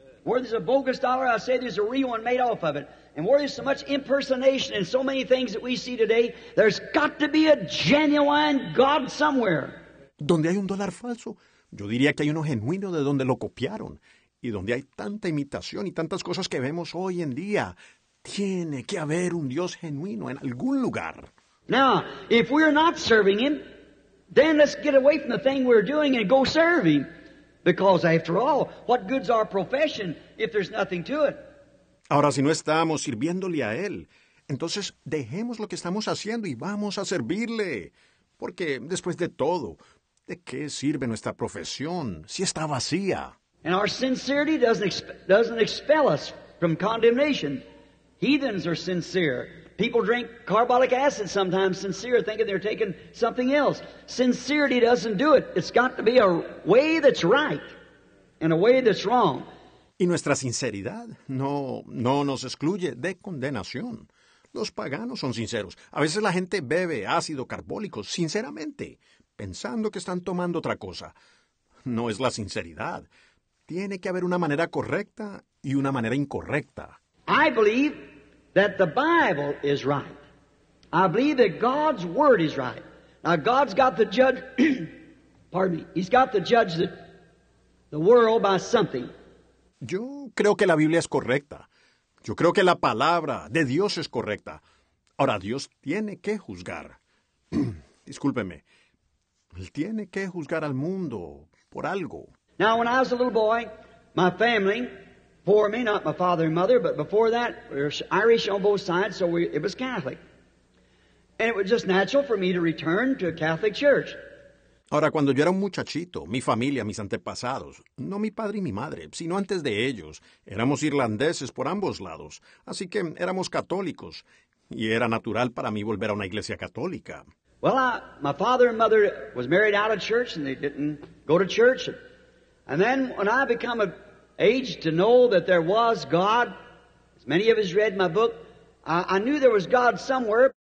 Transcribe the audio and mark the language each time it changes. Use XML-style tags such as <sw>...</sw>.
<en>Where there's a bogus dollar, I say there's a real one made off of it. And where there's so much impersonation and so many things that we see today, there's got to be a genuine God somewhere.</en> <es>Donde hay un dólar falso, yo diría que hay uno genuino de donde lo copiaron. Y donde hay tanta imitación y tantas cosas que vemos hoy en día, tiene que haber un Dios genuino en algún lugar.</es> <en>Now, if we're not serving him, then let's get away from the thing we're doing and go serve him. Because after all, what good's our profession if there's nothing to it?</en> <es>Ahora, si no estamos sirviéndole a él, entonces dejemos lo que estamos haciendo y vamos a servirle. Porque después de todo, ¿de qué sirve nuestra profesión si está vacía?</es> <en>And our sincerity doesn't expel us from condemnation. Heathens are sincere. People drink carbolic acid sometimes sincere, thinking they're taking something else. Sincerity doesn't do it. It's got to be a way that's right and a way that's wrong.</en> <es>Y nuestra sinceridad no nos excluye de condenación. Los paganos son sinceros. A veces la gente bebe ácido carbólico sinceramente, pensando que están tomando otra cosa. No es la sinceridad. Tiene que haber una manera correcta y una manera incorrecta.</es> <en>I believe that the Bible is right. I believe that God's word is right. Now God's got to judge, pardon me, he's got to judge the world by something.</en> <es>Yo creo que la Biblia es correcta. Yo creo que la palabra de Dios es correcta. Ahora, Dios tiene que juzgar. Discúlpeme. Él tiene que juzgar al mundo por algo.</es> <en>Now, when I was a little boy, my family, before me, not my father and mother, but before that, we were Irish on both sides, so it was Catholic. And it was just natural for me to return to a Catholic church.</en> <es>Ahora, cuando yo era un muchachito, mi familia, mis antepasados, no mi padre y mi madre, sino antes de ellos, éramos irlandeses por ambos lados, así que éramos católicos, y era natural para mí volver a una iglesia católica.</es> <en>Well, my father and mother was married out of church, and they didn't go to church. And then when I become of age to know that there was God, as many of us read my book, I knew there was God somewhere.</en>